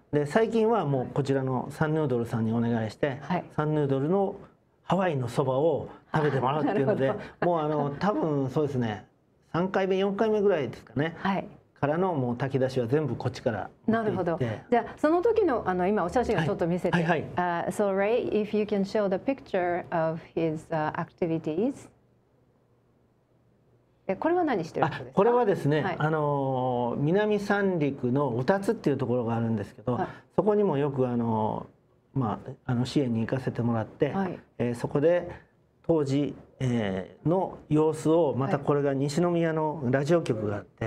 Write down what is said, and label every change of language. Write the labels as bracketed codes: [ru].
[ja] で最近はもうこちらのサンヌードルさんにお願いして、はい、サンヌードルのハワイのそばを食べてもらうっていうので、もう多分そうですね、3回目4回目ぐらいですかね、はい、からのもう炊き出しは全部こっちから。なるほど。じゃあその時の今お写真をちょっと見せて、はいはいはい、 [en] So Ray, if you can show the picture of his activities。 [ja] これは何してるんですか？これはですね、はい、南三陸の宇多津っていうところがあるんですけど、はい、そこにもよくまあ、支援に行かせてもらって、はい、そこで当時の様子を、またこれが西宮のラジオ局があって、